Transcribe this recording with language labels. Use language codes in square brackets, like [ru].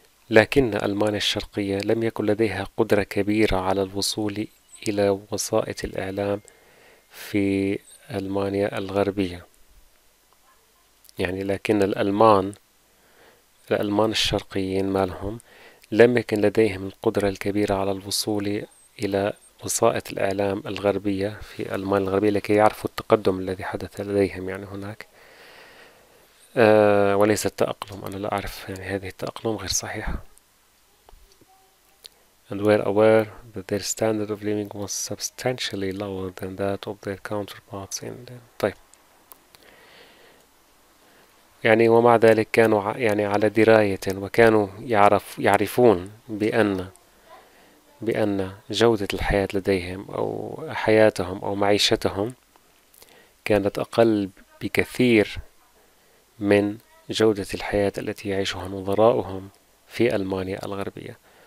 [ar] لكن ألمانيا الشرقية لم يكن لديها قدرة كبيرة على الوصول إلى وسائط الإعلام في ألمانيا الغربية، يعني لكن الألمان الشرقيين ما لهم، لم يكن لديهم القدرة الكبيرة على الوصول إلى وسائط الإعلام الغربية في ألمانيا الغربية لكي يعرفوا التقدم الذي حدث لديهم يعني هناك. وليس التأقلم، أنا لا أعرف يعني هذه التأقلم غير صحيحة. [en] And were aware that their standard of living was substantially lower than that of their counterparts in them. [ar] طيب، يعني ومع ذلك كانوا يعني على دراية، وكانوا يعرفون بأن جودة الحياة لديهم أو حياتهم أو معيشتهم كانت أقل بكثير من جودة الحياة التي يعيشها نظرائهم في ألمانيا الغربية.